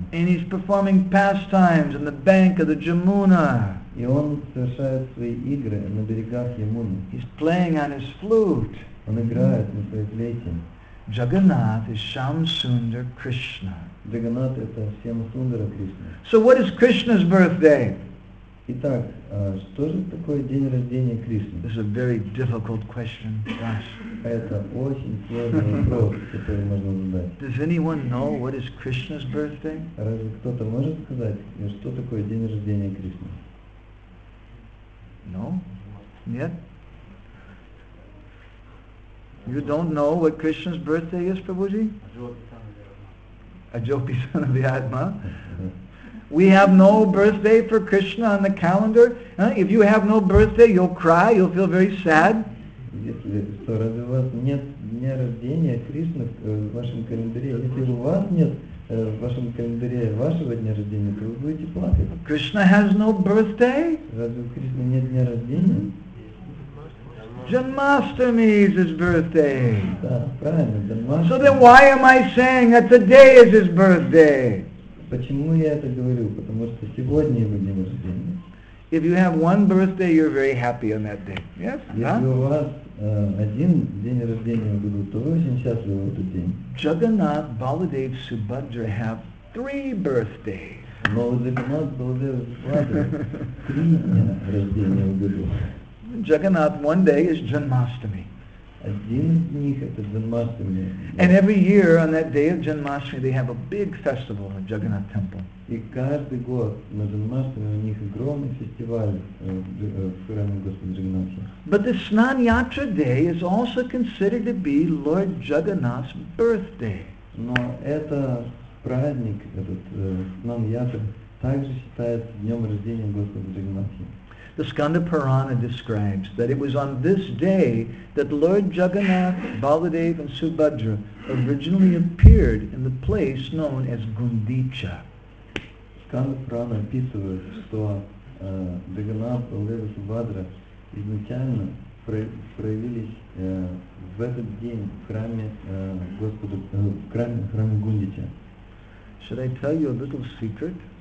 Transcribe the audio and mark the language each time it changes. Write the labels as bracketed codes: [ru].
[en] And he's performing pastimes on the bank of the Jamuna. [ru] И он совершает свои игры на берегах Ямуны. [en] He's playing on his flute. [ru] Он играет на своей флейте. [en] Jagannath is Shamsundar Krishna. [ru] Jagannath это Шамсундара Кришна. [en] So what is Krishna's birthday? [ru] Итак, что же такое день рождения Кришны? [en] This is a very difficult question to ask. [ru] Это очень сложный вопрос, который можно задать. [en] Does anyone know what is Krishna's birthday? [ru] Разве кто-то может сказать, что такое день рождения Кришны? [en] No? [ru] Нет? [en] You don't know what Krishna's birthday is, Prabhuji? Ajopi son of the Atma. We have no birthday for Krishna on the calendar. Huh? If you have no birthday, you'll cry, you'll feel very sad. [ru] Если что, разве у вас нет дня рождения Кришны в вашем календаре? Если у вас нет в вашем календаре вашего дня рождения, то вы будете плакать. [en] Krishna has no birthday? [ru] Разве у Кришны нет дня рождения? [en] Janmashtami is his birthday. [ru] Да, [en] so then why am I saying that today is his birthday? [ru] Почему я это говорю? Потому что сегодня его день рождения. [en] If you have one birthday, you're very happy on that day. Yes? [ru] Если у вас один день рождения в году, то вы очень счастливы в этот день. [en] Jagannath, Baladev, Subhadra have three birthdays. [ru] Но у Jagannath, Baladev, Subhadra три дня рождения в году. [en] Jagannath, one day is Janmashtami. [ru] Один из них это Джанмаштами. [en] And every year on that day of Janmashtami they have a big festival in Jagannath Temple. [ru] И каждый год на Джанмаштами у них огромный фестиваль в храме Господа Джагнатха. [en] But the Snan Yatra day is also considered to be Lord Jagannath's birthday. [ru] Но это праздник, этот Снан Ятра, также считается днем рождения Господа Джагнатха. [en] The Skanda Purana describes that it was on this day that Lord Jagannath, Baladev, and Subhadra originally appeared in the place known as Gundicha. [ru] Skanda Purana описывает, что Джагнат, Баладев и Субхадра изначально проявились в этот день в храме Господа, в храме Гундича. [en] Should I tell you a little secret?